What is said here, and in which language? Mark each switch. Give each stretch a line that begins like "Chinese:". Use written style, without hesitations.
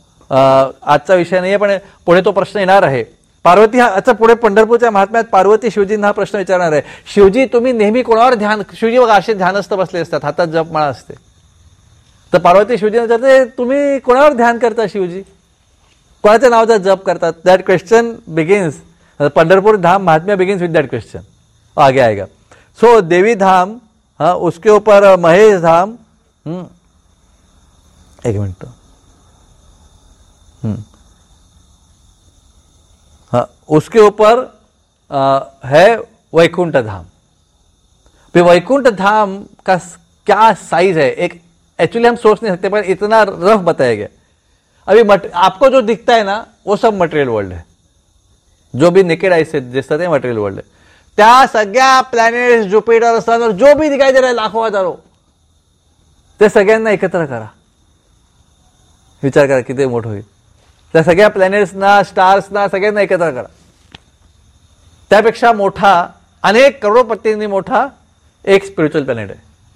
Marathi: आजचा विषय नाही आहे पण पुढे तो प्रश्न येणार आहे, पार्वती हा आता पुढे पंढरपूरच्या महात्म्यात पार्वती शिवजींना हा प्रश्न विचारणार आहे, शिवजी तुम्ही नेहमी कोणावर ध्यान, शिवजी बघा असे ध्यानस्थ बसले असतात हातात जप माळा असते, तर पार्वती शिवजींना विचारते तुम्ही कोणावर ध्यान करता शिवजी, कोणाच्या नावाचा जप करतात,
English: that question begins Pandharpur धाम महात्म्य begins with that question,
Hindi: आगे आएगा। सो देवी धाम, हाँ उसके ऊपर महेश धाम, एक मिनट, हाँ उसके ऊपर है वैकुंठ धाम। फिर वैकुंठ धाम का क्या साइज है, एक एक्चुअली हम सोच नहीं सकते पर इतना रफ बताया गया। अभी आपको जो दिखता है ना वो सब मटेरियल वर्ल्ड है,
Marathi: जो भी नेकेड आई से जिस तरह मटेरियल वर्ल्ड है, त्या सगळ्या प्लॅनेट्स ज्युपिटर सन
Hindi: जो भी दिखाई दे रहा है
Marathi: लाखो हजारो, ते सगळ्यांना एकत्र करा, विचार करा किती मोठं होईल, त्या सगळ्या प्लॅनेट्सना स्टार्सना सगळ्यांना एकत्र करा, त्यापेक्षा मोठा अनेक करोडपतींनी मोठा एक स्पिरिच्युअल प्लॅनेट आहे,